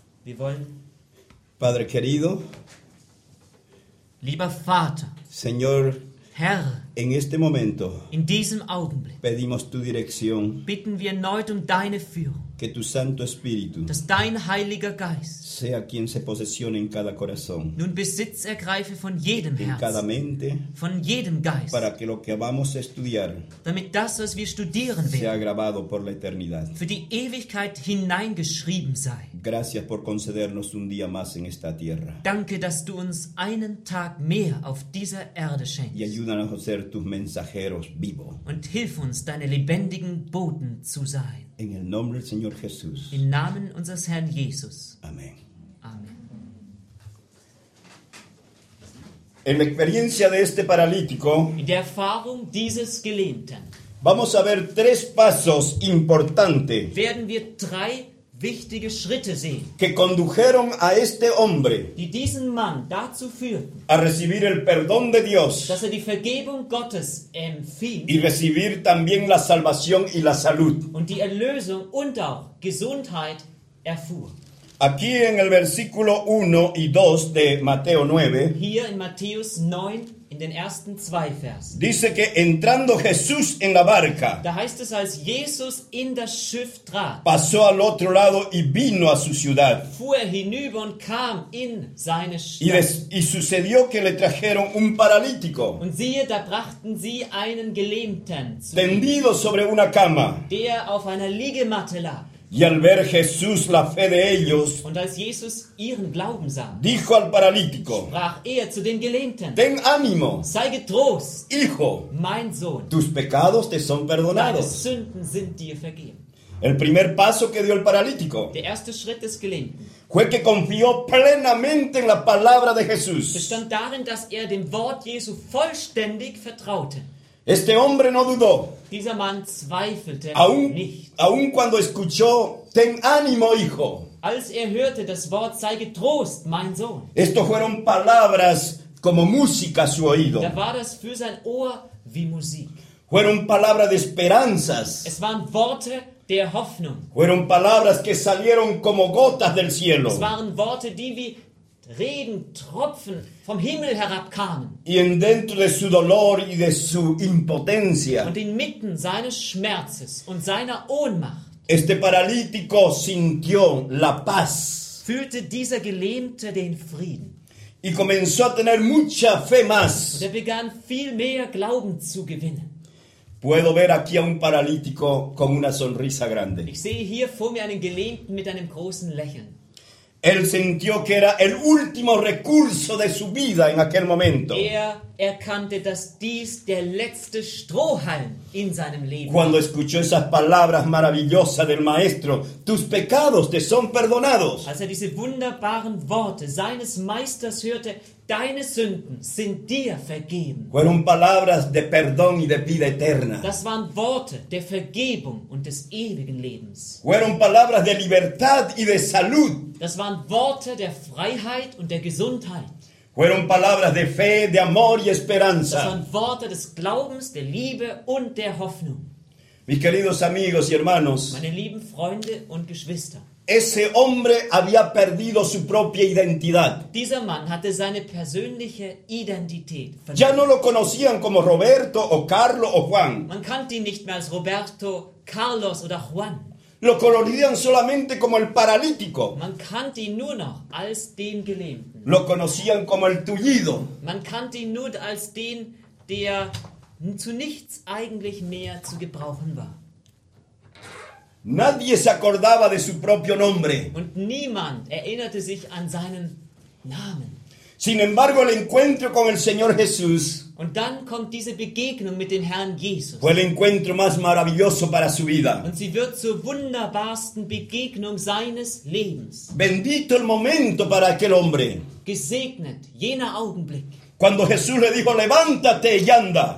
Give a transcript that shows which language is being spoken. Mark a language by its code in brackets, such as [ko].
[de] Wir wollen. [es] Padre querido. [de] Lieber Vater. [es] Señor. [de] Herr. [es] En este momento. [de] In diesem Augenblick. [es] Pedimos tu dirección. [de] Bitten wir erneut um deine Führung. [es] Que tu Santo Espíritu, [de] dass dein Heiliger Geist [es] sea quien se posesione en cada corazón, [de] nun Besitz ergreife von jedem [es] en [de] Herz, [es] cada mente, [de] von jedem Geist, [es] para que lo que vamos a estudiar, [de] damit das, was wir studieren [es] sea [de] werden, [es] grabado por la eternidad, [de] für die Ewigkeit hineingeschrieben sei. [es] Gracias por concedernos un día más en esta tierra. [de] Danke, dass du uns einen Tag mehr auf dieser Erde schenkst. [es] Y ayúdanos a ser tus mensajeros vivo. [de] Und hilf uns, deine lebendigen Boten zu sein. [es] En el nombre del Señor Jesús. [de] Im Namen unseres Herrn Jesus. [es] Amén. [de] Amén. [es] En la experiencia de este paralítico, [de] in der Erfahrung dieses Gelähmten, [es] vamos a ver tres pasos importantes, [de] werden wir drei wichtige Schritte sehen, [es] que condujeron a este hombre, [de] die diesen Mann dazu führten, [es] a recibir el perdón de Dios, [de] dass er die Vergebung Gottes empfing, [es] y recibir también la salvación y la salud, [de] und die Erlösung und auch Gesundheit erfuhr. [es] Aquí en el versículo 1 y 2 de Mateo 9, [de] hier in Matthäus 9, in den ersten zwei Versen, [es] dice que entrando Jesús en la barca, [de] da heißt es, als Jesus in das Schiff trat, [es] pasó al otro lado y vino a su ciudad, [de] fuhr hinüber und kam in seine Stadt, [es] y sucedió que le trajeron un paralítico, [de] und siehe, da brachten sie einen Gelähmten zu ihm, [es] tendido sobre una cama, [de] der auf einer Liegematte lag. [es] Y al ver Jesús la fe de ellos, [de] und als Jesus ihren Glauben sah, [es] dijo al paralítico, [de] sprach er zu den Gelähmten: [es] Ten ánimo, [de] sei getrost, [es] hijo, [de] mein Sohn, [es] tus pecados te son perdonados, [de] deine Sünden sind dir vergeben. [es] El primer paso que dio el paralítico, [de] der erste Schritt des Gelähmten, [es] fue que confió plenamente en la palabra de Jesús, [de] bestand darin, dass er dem Wort Jesu vollständig vertraute. [es] Este hombre no dudó. [de] Dieser Mann zweifelte nicht. [es] Aun cuando escuchó, ten ánimo, hijo. [de] Als er hörte das Wort, sei getrost, mein Sohn. [es] Esto fueron palabras como música a su oído. [de] Da war das für sein Ohr wie Musik. [es] Fueron palabras de esperanzas. [de] Es waren Worte der Hoffnung. [es] Fueron palabras que salieron como gotas del cielo. [de] Es waren Worte, die wie Regen, Tropfen vom Himmel herabkamen. [es] Y dentro de su dolor y de su impotencia, [de] und inmitten seines Schmerzes und seiner Ohnmacht, [es] este paralítico sintió la paz, [de] fühlte dieser Gelähmte den Frieden. [es] Y comenzó a tener mucha fe más. [de] Und er begann viel mehr Glauben zu gewinnen. [es] Puedo ver aquí a un paralítico con una sonrisa grande. [de] Ich sehe hier vor mir einen Gelähmten mit einem großen Lächeln. [es] Él sintió que era el último recurso de su vida en aquel momento. [de] Er erkannte, dass dies der letzte Strohhalm in seinem Leben war. [es] Cuando escuchó esas palabras maravillosas del Maestro, tus pecados te son perdonados. [de] Als er diese wunderbaren Worte seines Meisters hörte, deine Sünden sind dir vergeben. [es] Fueron palabras de perdón y de vida eterna. [de] Das waren Worte der Vergebung und des ewigen Lebens. [es] Fueron palabras de libertad y de salud. [de] Das waren Worte der Freiheit und der Gesundheit. [es] Fueron palabras de fe, de amor y esperanza. [de] Das waren Worte des Glaubens, der Liebe und der Hoffnung. [es] Mis queridos amigos y hermanos, [de] meine lieben Freunde und Geschwister, [es] ese hombre había perdido su propia identidad. [de] Dieser Mann hatte seine persönliche Identität verloren. [es] Ya no lo conocían como Roberto o Carlos o Juan. [de] Man kannte ihn nicht mehr als Roberto, Carlos oder Juan. [es] Lo conocían solamente como el paralítico. [de] Man kannte ihn nur noch als den Gelähmten. [es] Lo conocían como el tullido. [de] Man kannte ihn nur als den, der zu nichts eigentlich mehr zu gebrauchen war. [es] Nadie se acordaba de su propio nombre. [de] Und niemand erinnerte sich an seinen Namen. [es] Sin embargo, el encuentro con el Señor Jesús, [de] und dann kommt diese Begegnung mit dem Herrn Jesus, [es] fue el encuentro más maravilloso para su vida. [de] Und sie wird zur wunderbarsten Begegnung seines Lebens. [es] Bendito el momento para aquel hombre. [de] Gesegnet jener Augenblick. [es] Cuando Jesús le dijo, levántate y anda.